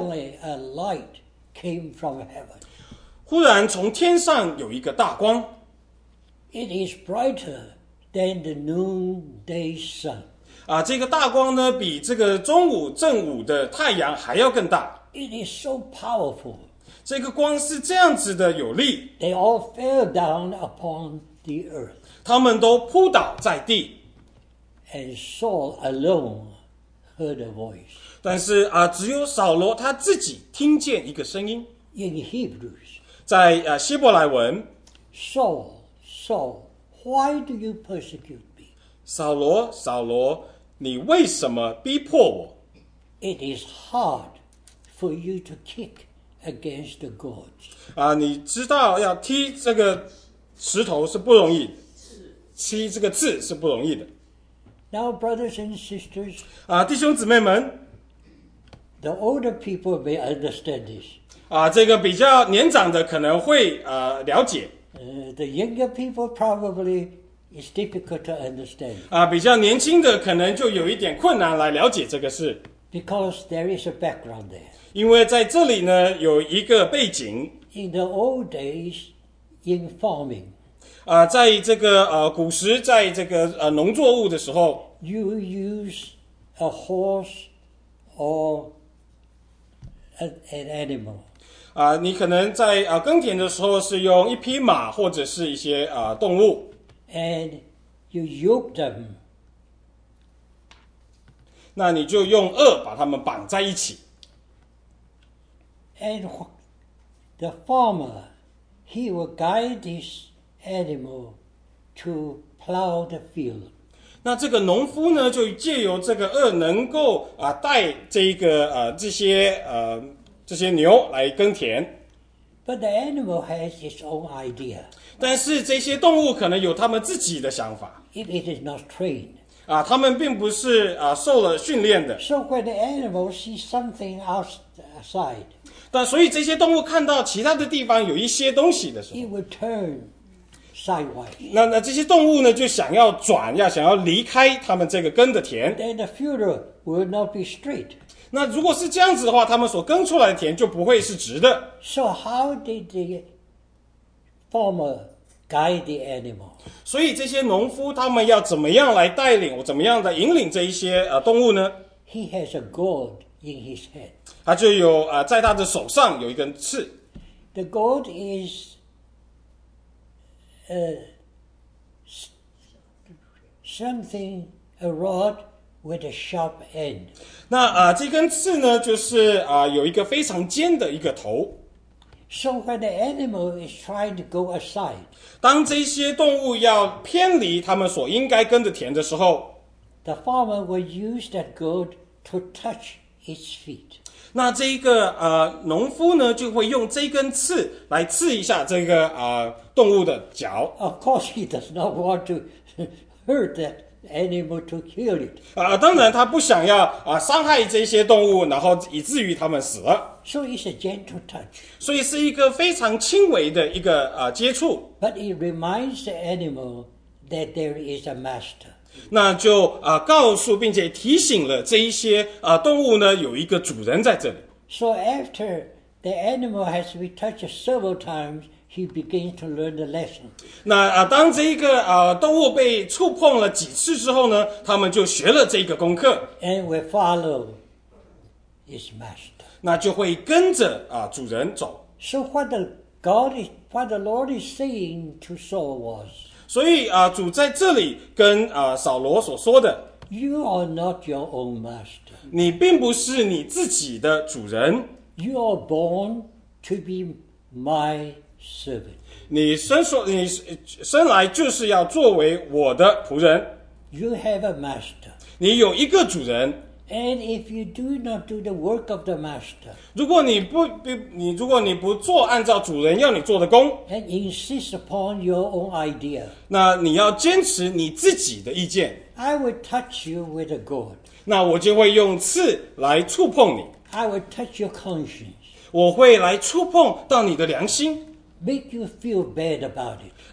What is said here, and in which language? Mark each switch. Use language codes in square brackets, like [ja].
[en] ，suddenly a light came from heaven. [zh] 忽然从天上有一个大光 [en] ，it is brighter than the noonday sun. [zh] 这个大光呢，比这个中午正午的太阳还要更大。 [en] It is so powerful. [zh] 这个光是这样子的有力。 [en] They all fell down upon the earth. [zh] 他们都扑倒在地。 [en] And Saul alone heard a voice. [zh] 但是只有扫罗他自己听见一个声音。 [en] In Hebrews. [zh] 在希伯来文。 [en] Saul, Saul, why do you persecute? [zh] 扫罗，扫罗，你为什么逼迫我 [en] ？It is hard for you to kick against the gods. [zh] 你知道要踢这个石头是不容易，踢这个刺是不容易的。 [en] Now, brothers and sisters. [zh] 弟兄姊妹们 [en] ，The older people may understand this. [zh] 这个比较年长的可能会了解。 [en] The younger people probably. It's difficult to understand. [zh] 比较年轻的可能就有一点困难来了解这个事。 [en] Because there is a background there. [zh] 因为在这里呢有一个背景。 [en] In the old days, in farming. [zh] 在这个古时，在这个农作物的时候 [en] ，you use a horse or an animal. [zh] 你可能在耕田的时候是用一匹马或者是一些动物。 [en] And you yoke them. [zh] 那你就用轭把他们绑在一起。 [en] And the farmer, he will guide this animal to plow the field. [zh] 那这个农夫呢，就借由这个轭能够带这个这些牛来耕田。 [en] But the animal has its own idea. [zh] 但是这些动物可能有他们自己的想法。 [en] If it is not trained. [zh] 他们并不是受了训练的。 [en] So when the animal sees something outside. [zh] 但所以这些动物看到其他的地方有一些东西的时候。 [en] It will turn sideways. [zh] 那这些动物呢就想要转，要想要离开他们这个耕的田。 [en] Then the field will not be straight. [zh] 那如果是这样子的话，他们所耕出来的田就不会是直的。 [en] So how did the farmer guide the animal? [zh] 所以这些农夫他们要怎么样来带领，怎么样来引领这一些动物呢 [en] ？He has a gourd in his hand. [zh] 他就有在他的手上有一根刺。 [en] The gourd is something a rod. With a sharp end. [zh] 那这根刺呢，就是有一个非常尖的一个头。 [en] So when the animal is trying to go aside, [zh] 当这些动物要偏离他们所应该耕的田的时候 [en] ，the farmer will use that gourd to touch its feet. [zh] 那这一个农夫呢，就会用这根刺来刺一下这个动物的脚。 [en] Of course, he does not want to hurt that animal to kill it. [zh] 当然他不想要伤害这些动物，然后以至于他们死了。 [en] So it's a gentle touch. [zh] 所以是一个非常轻微的一个接触。 [en] But it reminds the animal that there is a master. [zh] 那就告诉并且提醒了这一些动物呢，有一个主人在这里。 [en] So after the animal has been touched several times, he begins to learn the lesson. [zh] 那当这一个动物被触碰了几次之后呢，他们就学了这个功课。 [en] And will follow his master. [zh] 那就会跟着主人走。 [en] So what the Lord is saying to Saul was. [zh] 所以主在这里跟扫罗所说的 [en] You are not your own master. [zh] 你并不是你自己的主人。 [en] You are born to be my servant. [zh] 你生来就是要作为我的仆人。 [en] You have a master. [zh] 你有一个主人。 [en] And if you do not do the work of the master, [zh] 如果你不做按照主人要你做的工 [en] and insist upon your own idea, [zh] 那你要坚持你自己的意见 [en] I will touch you with a goad. [zh] 那我就会用刺来触碰你 [en] I will touch your conscience. [zh] 我会来触碰到你的良心 [en] make you feel bad about it.